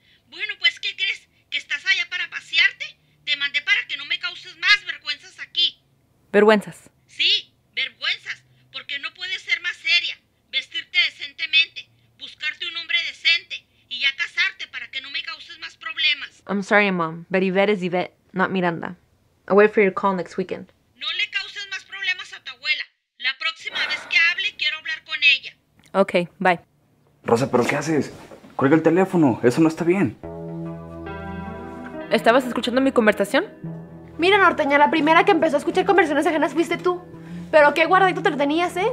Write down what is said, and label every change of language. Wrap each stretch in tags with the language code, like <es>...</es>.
<es>Bueno, pues, ¿qué crees? ¿Que estás allá para pasearte? Te mandé para que no me causes más vergüenzas aquí. ¿Vergüenzas? Sí, vergüenzas. Porque no puedes ser más seria, vestirte decentemente, buscarte un hombre decente y ya casarte para que no me causes más problemas.</es> <en>I'm sorry, Mom, but Ivette is Ivette, not Miranda. I'll wait for your call next weekend.</en> <es>No le causes más problemas a tu abuela. La próxima vez que hable, quiero hablar con ella.</es> <en>Okay, bye.</en> <es>Rosa, ¿pero qué haces? ¡Cuelga el teléfono! ¡Eso no está bien! ¿Estabas escuchando mi conversación? Mira, Norteña, la primera que empezó a escuchar conversaciones ajenas fuiste tú. Pero qué guardadito te tenías, ¿eh?</es>